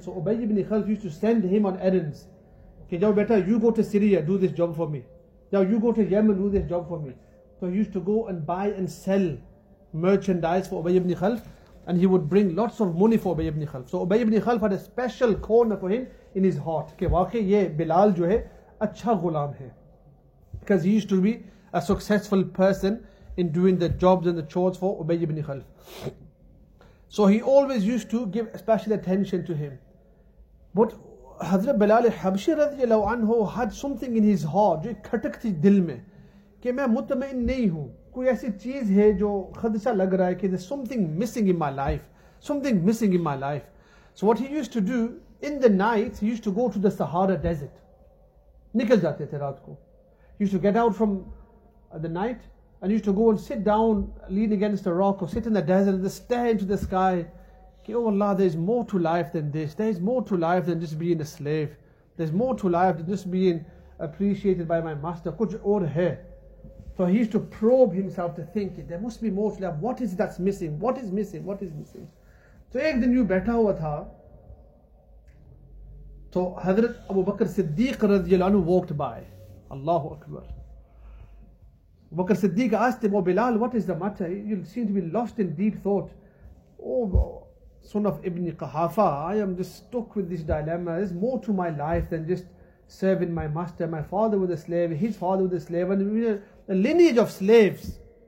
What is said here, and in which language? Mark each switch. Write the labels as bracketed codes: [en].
[en] So Ubay ibn Khalf used to send him on errands. Okay, [ur] jao beta, [en] you go to Syria, do this job for me. Jao, you go to Yemen, do this job for me. So he used to go and buy and sell merchandise for Ubay ibn Khalf. And he would bring lots of money for Ubay ibn Khalf. So Ubay ibn Khalf had a special corner for him in his heart. [ur] Okay, واقعی یہ بلال جو ہے اچھا غلام ہے. [en] Because he used to be a successful person in doing the jobs and the chores for Ubay ibn Khalf. So he always used to give special attention to him. [ur] But حضرت بلال حبشی رضی اللہ عنہ [en] had something in his heart [ur] جو کھٹک تھی دل میں کہ میں مطمئن نہیں ہوں. کوئی ایسی چیز ہے جو خدشہ لگ رہا ہے کہ [en] there's something missing in my life. Something missing in my life. So what he used to do, in the night, he used to go to the Sahara Desert. [ur] نکل جاتے تھے رات کو. [en] He used to get out from the night and used to go and sit down, lean against a rock or sit in the desert and just stare into the sky. Oh Allah, there is more to life than this. There is more to life than just being a slave. There is more to life than just being appreciated by my master. [ur] کچھ اور ہے. [en] So he used to probe himself to think, there must be more to life. What is it that's missing? What is missing? What is missing? [ur] So ایک دن یوں بیٹھا ہوا تھا تو حضرت ابو بکر صدیق رضی اللہ عنہ [en] walked by. [ar] اللہ اکبر. [en] Bakr Siddiq asked him, oh Bilal, what is the matter? You seem to be lost in deep thought. Oh, son of Ibn Qahafa, I am just stuck with this dilemma. There's more to my life than just serving my master. My father was a slave, his father was a slave, and a lineage of slaves.